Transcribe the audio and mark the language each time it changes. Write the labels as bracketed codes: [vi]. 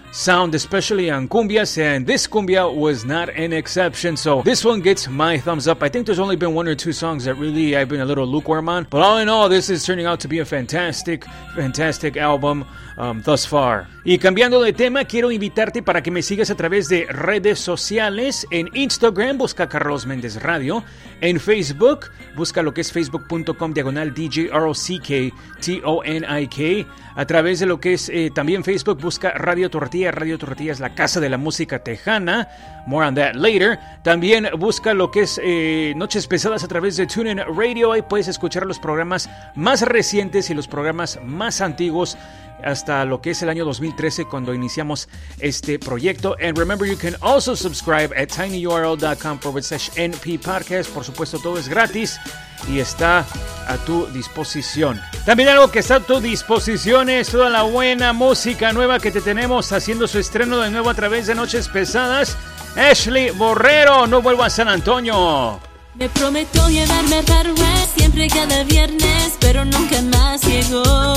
[en] sound, especially on cumbias, and this cumbia was not an exception, so this one gets my thumbs up. I think there's only been one or two songs that really I've been a little lukewarm on, but all in all, this is turning out to be a fantastic, fantastic album thus far. [es] Y cambiando de tema, quiero invitarte para que me sigas a través de redes sociales. En Instagram, busca Carlos Méndez Radio. En Facebook, busca lo que es facebook.com/DJROCKTONIK. A través de lo que es también Facebook, busca Radio Tortilla. Radio Tortilla es la casa de la música tejana. [en] More on that later. [es] También busca lo que es Noches Pesadas a través de TuneIn Radio. Ahí puedes escuchar los programas más recientes y los programas más antiguos hasta lo que es el año 2013 cuando iniciamos este proyecto. [en] And remember, you can also subscribe at tinyurl.com/nppodcast. [es] Por supuesto, todo es gratis y está a tu disposición. También algo que está a tu disposición es toda la buena música nueva que te tenemos haciendo su estreno de nuevo a través de Noches Pesadas. Ashley Borrero, No Vuelvo a San Antonio. Me prometo llevarme a Hardware siempre cada viernes, pero nunca más llegó.